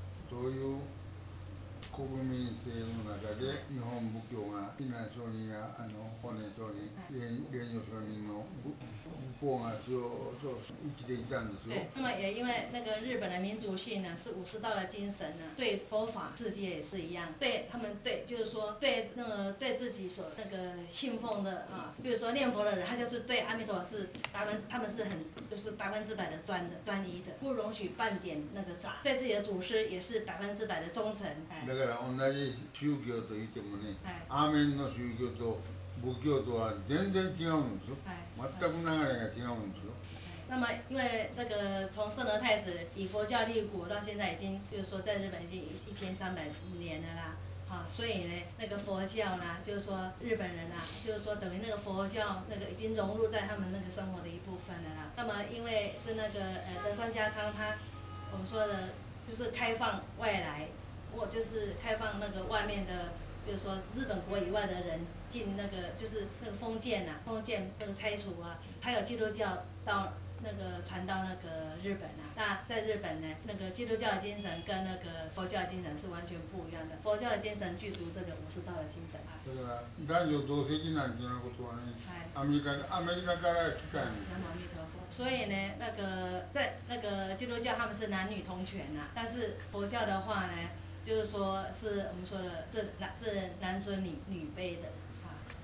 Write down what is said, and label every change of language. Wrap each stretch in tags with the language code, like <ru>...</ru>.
<ja>どういう国民性の中で日本仏教が避難所人や法然上人、蓮如上人の仏法がずっと生きてきたんですよ。</ja> <zh>那么也因为那个日本的民族性呢，是武士道的精神呢，对佛法世界也是一样，对他们对就是说对那个对自己所那个信奉的啊，比如说念佛的人，他就是对阿弥陀佛是他们是很就是百分之百的专一的，不容许半点那个杂，对自己的祖师也是百分之百的忠诚。</zh> <ja>だから同じ宗教と言ってもね、アーメンの宗教と仏教とは全然違うんですよ。全く流れが違うんですよ。</ja> <zh>那么因为那个从圣德太子以佛教立国到现在已经，就是说在日本已经1300年了啦。所以呢，那个佛教呢，就是说日本人啊，就是说等于那个佛教那个已经融入在他们那个生活的一部分了啦。那么因为是那个德川家康他，我们说的就是开放外来。我就是开放那个外面的，就是说日本国以外的人进那个，就是那个封建呐、啊，封建那个拆除啊，还有基督教到那个传到那个日本呐、啊。那在日本呢，那个基督教的精神跟那个佛教的精神是完全不一样的。佛教的精神具足这个武士道的精神啊。对啊，</zh> <ja>男女同席なんていうのことはね、アメリカから来たんです。</ja> <zh>南无阿弥陀佛。所以呢，那个在那个基督教他们是男女同权呐、啊，但是佛教的话呢？就是说，是我们说的这男尊女卑的啊。</zh>